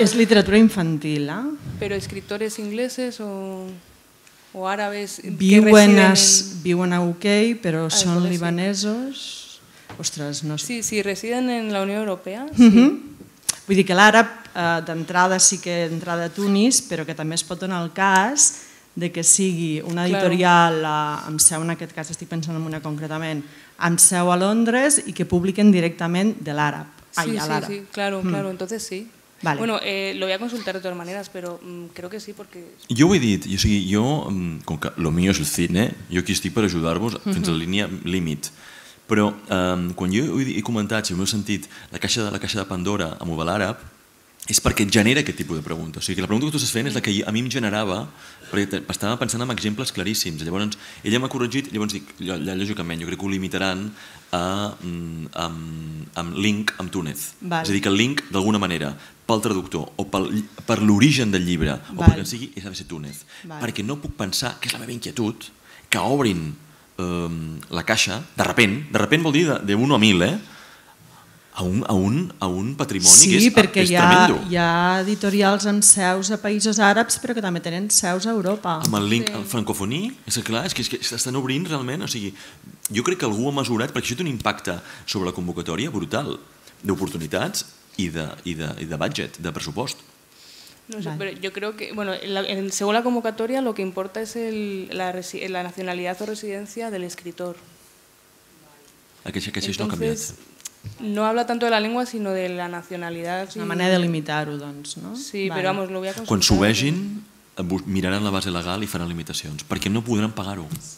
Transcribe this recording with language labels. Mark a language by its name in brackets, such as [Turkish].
[Spanish] Es literatura infantil, ¿eh? ¿Pero escritores ingleses o árabes? Viven a UK, pero son libanesos. Ostras, no sé. Sí, residen en la Unión Europea. [Catalan] Vull dir que l'àrab, d'entrada sí que entra de Tunis, però que també es pot donar el cas de que sigui una editorial, em seu en aquest cas, estic pensant en una concretament, em seu a Londres i que publiquen directament de l'àrab. [Spanish] Sí, claro, entonces sí. Vale. Bueno, lo voy a consultar de todas maneras, pero creo que sí, porque... [Catalan] Jo ho he dit, jo, com que [Spanish] lo mío es el cine, [Catalan] jo aquí estic per ajudar-vos fins a la línia límit, però quan jo he comentat, si m'heu sentit, la caixa de Pandora amb Ubal Àrab, és perquè et genera aquest tipus de pregunta. O sigui, la pregunta que tu estàs fent és la que a mi em generava, perquè estava pensant en exemples claríssims. Llavors, ella m'ha corregit, llavors dic, lògicament, jo crec que ho limitaran amb link amb Túnez. Val. És a dir, que el link, d'alguna manera, pel traductor o per l'origen del llibre, o Val. Perquè en sigui, ha de ser Túnez. Val. Perquè no puc pensar, que és la meva inquietud, que obrin la caixa, de repent vol dir d'1 a 1.000, a un patrimoni sí, que és perquè és hi ha editorials amb seus a països àrabs però que també tenen seus a Europa. Amb el link al francofoní, és clar, és que s'estan obrint realment, o sigui, jo crec que algú ha mesurat, perquè això té un impacte sobre la convocatòria brutal d'oportunitats i de budget, de pressupost. [Spanish] No sé, pero yo creo que, bueno, según la convocatoria lo que importa es la nacionalidad o residencia del escritor. [Catalan] Aquest no ha canviat. [Spanish] No habla tanto de la lengua, sino de la nacionalidad. [Catalan] Una manera de limitar-ho, doncs, no? [Spanish] Sí, però vamos, lo voy a consultar. [Catalan] Quan s'ho vegin, miraran la base legal i faran limitacions, perquè no podran pagar-ho.